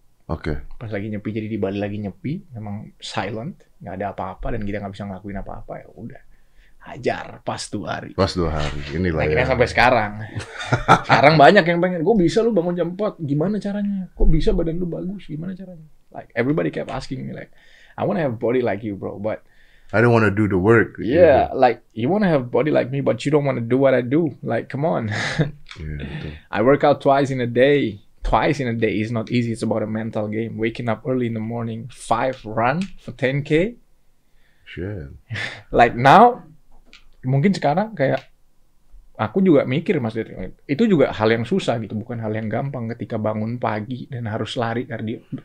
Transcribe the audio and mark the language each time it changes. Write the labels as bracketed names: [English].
[Indonesian] Oke. Okay. Pas lagi nyepi, jadi di Bali lagi nyepi, memang silent, nggak ada apa-apa dan kita nggak bisa ngelakuin apa-apa, ya udah, hajar pas 2 hari. Pas 2 hari, inilah. Akhirnya sampai sekarang. Sekarang banyak yang pengen, gue bisa lu bangun jam 4, gimana caranya? Kok bisa badan lu bagus, gimana caranya? [English] Like everybody kept asking me like, I wanna have a body like you, bro, but I don't wanna do the work. Yeah, like you wanna have a body like me, but you don't wanna do what I do. Like come on. Yeah, I work out twice in a day is not easy. It's about a mental game. Waking up early in the morning, 5 run for 10K. Shit. Like now, [Indonesian] mungkin sekarang kayak, aku juga mikir maksudnya, itu juga hal yang susah gitu, bukan hal yang gampang ketika bangun pagi dan harus lari kardio.